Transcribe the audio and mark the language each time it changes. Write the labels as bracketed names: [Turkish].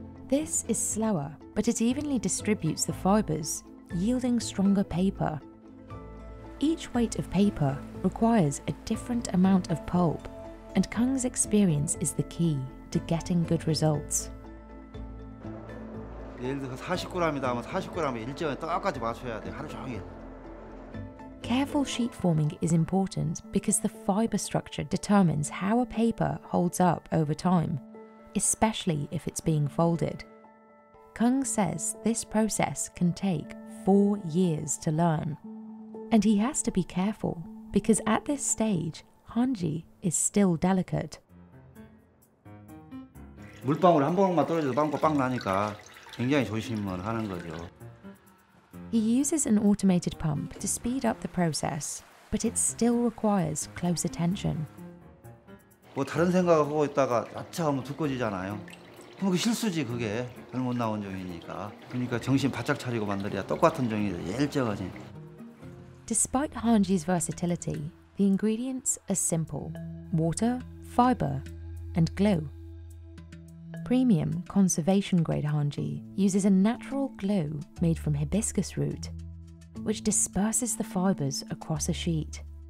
[English] This is slower, but it evenly distributes the fibers, yielding stronger paper. Each weight of paper requires a different amount of pulp, and Kung's experience is the key to getting good results. [Korean] 예를 들어서 40g이다 하면 40g에 일정에 똑같이 맞춰야 돼, 하루 종일. [English] Careful sheet forming is important because the fiber structure determines how a paper holds up over time, especially if it's being folded. Kung says this process can take 4 years to learn. And he has to be careful because at this stage, Hanji is still delicate. [Korean] 물방울 한 번만 떨어져도 방울 빵 나니까 굉장히 조심을 하는 거죠. [English] He uses an automated pump to speed up the process, but it still requires close attention. [Korean] 뭐 다른 생각을 하고 있다가 아차하면 두꺼워지잖아요. 그럼 그 실수지 그게 잘못 나온 종이니까. 그러니까 정신 바짝 차리고 만들어야 똑같은 종이도 일정하지. [English] Despite Hanji's versatility, the ingredients are simple: water, fiber, and glue. Premium conservation grade Hanji uses a natural glue made from hibiscus root, which disperses the fibers across a sheet.